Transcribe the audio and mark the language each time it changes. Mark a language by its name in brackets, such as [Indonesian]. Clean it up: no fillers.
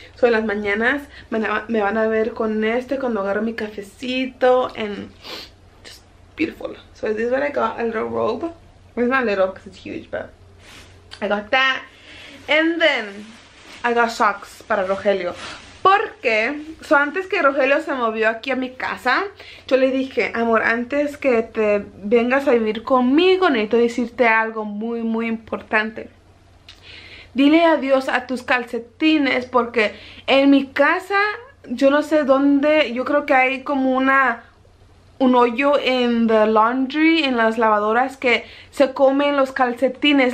[Spanish] So, en las mañanas me van a ver con este cuando agarro mi cafecito. [English] And just beautiful. So, this is what I got. A little robe. It's not little because it's huge, but I got that. And then, I got socks [Spanish] para Rogelio. Porque, so antes que Rogelio se movió aquí a mi casa, yo le dije, amor, antes que te vengas a vivir conmigo, necesito decirte algo muy, muy importante. Dile adiós a tus calcetines, porque en mi casa, yo no sé dónde, yo creo que hay como un hoyo en [English] the laundry, [Spanish] en las lavadoras, que se comen los calcetines.